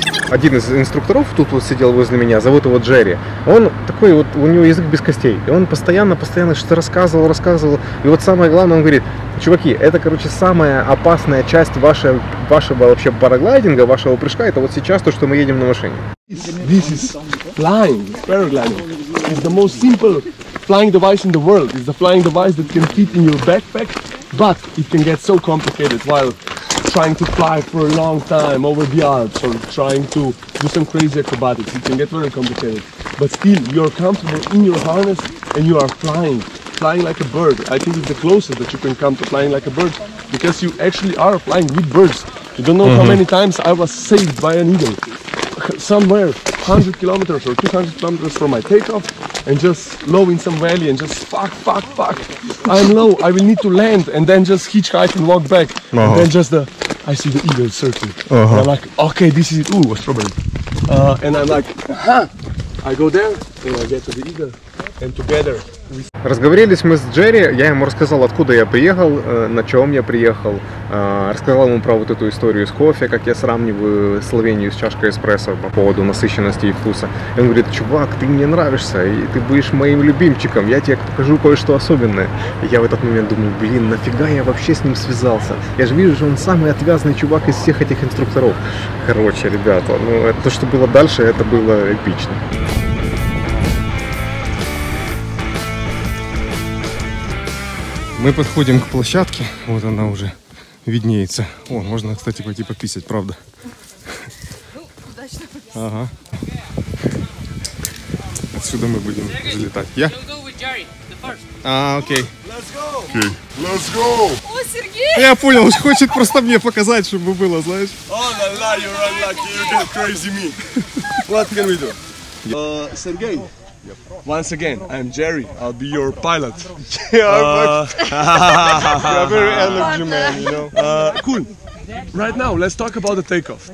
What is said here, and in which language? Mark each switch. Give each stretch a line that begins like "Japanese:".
Russian: один из инструкторов тут вот сидел возле меня, зовут его Джерри. Он такой вот, у него язык без костей. И он постоянно что-то рассказывал. И вот самое главное, он говорит: чуваки, это, короче, самая опасная часть вашего вообще параглайдинга, вашего прыжка, это вот сейчас то, что мы едем на машине.
English: This is flying, paragliding. It's the most simple flying device in the world. It's the flying device that can fit in your backpack, but it can get so complicated while trying to fly for a long time over the Alps or trying to do some crazy acrobatics. It can get very complicated. But still, you're comfortable in your harness and you are flying like a bird. I think it's the closest that you can come to flying like a bird, because you actually are flying with birds. You don't know how many times I was saved by an eagle somewhere 100 kilometers or 200 kilometers from my takeoff, and just low in some valley, and just fuck, I'm low, I will need to land, and then just hitchhike and walk back. And then just I see the eagle circling. And I'm like, okay, this is it. Ooh, what's the problem? And I'm like, I go there, and I get to the eagle, and together.
Russian: Разговорились мы с Джерри, я ему рассказал, откуда я приехал, на чем я приехал, рассказал ему про вот эту историю с кофе, как я сравниваю Словению с чашкой эспрессо по поводу насыщенности и вкуса. И он говорит: чувак, ты мне нравишься, и ты будешь моим любимчиком, я тебе покажу кое-что особенное. И я в этот момент думаю: блин, нафига я вообще с ним связался? Я же вижу, что он самый отвязный чувак из всех этих инструкторов. Короче, ребята, ну то, что было дальше, это было эпично. Мы подходим к площадке, вот она уже виднеется. О, можно, кстати, пойти пописать, правда. Ну, удачно пописать. Ага. Отсюда мы будем взлетать. Я? Окей.
English: Окей. Let's go!
Russian: О, Сергей! Я понял, он хочет просто мне показать, чтобы было, знаешь.
English: О, ла-ла, you're unlucky, you get crazy me. What can we do? Сергей. Once again, I'm Jerry. I'll be your pilot. You're very energy man, you know. Cool. Right now, let's talk about the takeoff.